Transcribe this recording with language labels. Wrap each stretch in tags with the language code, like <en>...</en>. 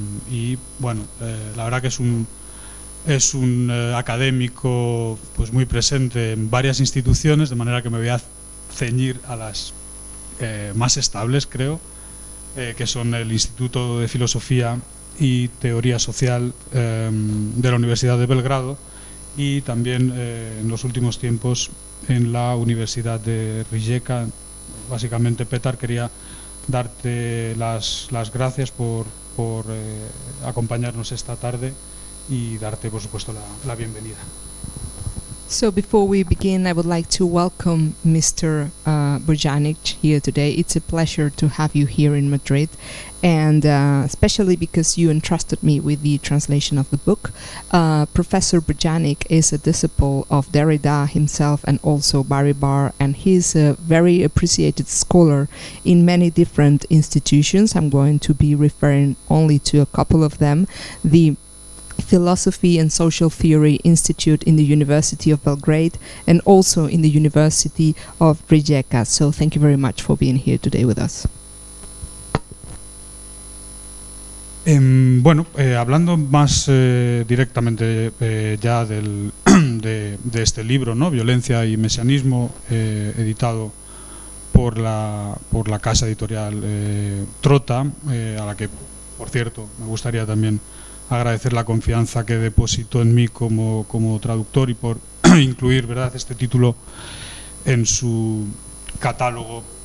<es>Y bueno, la verdad que es un académico pues muy presente en varias instituciones, de manera que me voy a ceñir a las más estables, creo, que son el Instituto de Filosofía y Teoría Social de la Universidad de Belgrado, y también en los últimos tiempos en la Universidad de Rijeka. Básicamente, Petar, quería darte las gracias por acompañarnos esta tarde y darte, por supuesto, la bienvenida.</es> <en>So before we begin, I would like to welcome Mr. Bojanic here today. It's a pleasure to have you here in Madrid, and especially because you entrusted me with the translation of the book. Professor Bojanic is a disciple of Derrida himself and also Balibar, and he's a very appreciated scholar in many different institutions. I'm going to be referring only to a couple of them. The Philosophy and Social Theory Institute in the University of Belgrade, and also in the University of Rijeka. So thank you very much for being here today with us.</en> <es>Bueno, hablando más directamente ya de este libro, ¿no?, Violencia y Mesianismo, editado por la casa editorial Trota, a la que, por cierto, me gustaría también agradecer la confianza que depositó en mí como traductor y por incluir, ¿verdad?, este título en su catálogo.</es>